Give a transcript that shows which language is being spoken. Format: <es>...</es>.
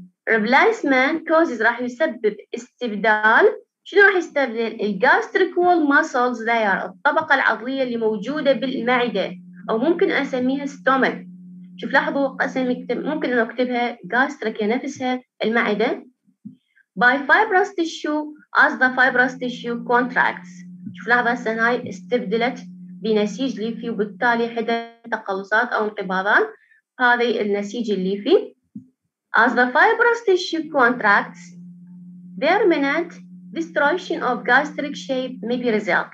<ar>Replacement causes راح يسبب استبدال.</ar> <en>شنو راح يستبدل؟ The gastric wall muscles there.</en> <ar>الطبقة العضلية اللي موجودة بالمعدة. أو ممكن أسميها stomach. شوف لاحظوا أسمي ممكن أن أكتبها gastric نفسها المعدة.</ar> <en>By fibrous tissue as the fibrous tissue contracts.</en> <ar>شوف لحظة السناي استبدلت بنسيج ليفي وبالتالي حدث تقلصات أو انقباضات هذه النسيج الليفي.</ar> <en>As the fibrous tissue contracts, permanent destruction of gastric shape may be result.</en>